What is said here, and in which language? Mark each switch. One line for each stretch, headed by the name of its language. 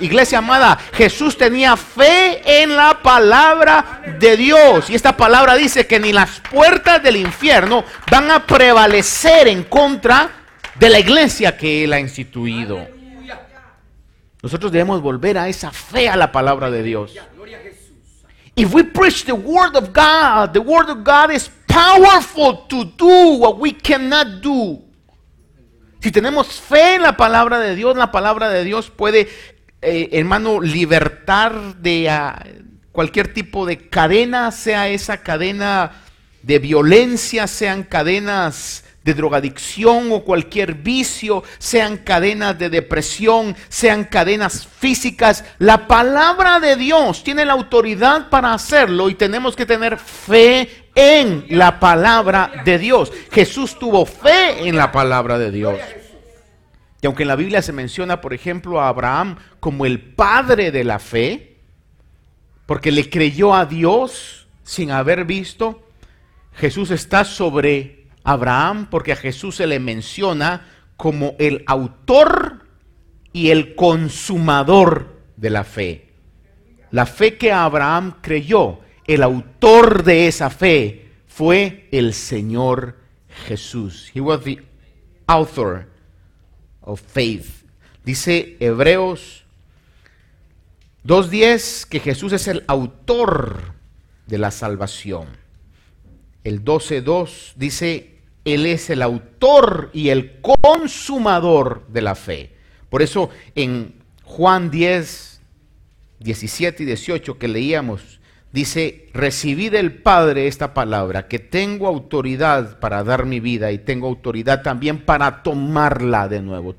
Spanish: Iglesia amada, Jesús tenía fe en la palabra de Dios. Y esta palabra dice que ni las puertas del infierno van a prevalecer en contra de la iglesia que él ha instituido. Nosotros debemos volver a esa fe a la palabra de Dios.
English: If we preach the word of God is powerful to do what we cannot do.
Spanish: Si tenemos fe en la palabra de Dios puede, hermano, libertar de cualquier tipo de cadena, sea esa cadena de violencia, sean cadenas de drogadicción o cualquier vicio, sean cadenas de depresión, sean cadenas físicas. La palabra de Dios tiene la autoridad para hacerlo y tenemos que tener fe en la palabra de Dios. Jesús tuvo fe en la palabra de Dios. Y aunque en la Biblia se menciona, por ejemplo, a Abraham como el padre de la fe, porque le creyó a Dios sin haber visto, Jesús está sobre Abraham, porque a Jesús se le menciona como el autor y el consumador de la fe. La fe que Abraham creyó, el autor de esa fe fue el Señor Jesús.
English: He was the author of faith.
Spanish: Dice Hebreos 2:10 que Jesús es el autor de la salvación. El 12:2 dice, Él es el autor y el consumador de la fe. Por eso en Juan 10:17 y 18 que leíamos, dice, recibí del Padre esta palabra, que tengo autoridad para dar mi vida y tengo autoridad también para tomarla de nuevo.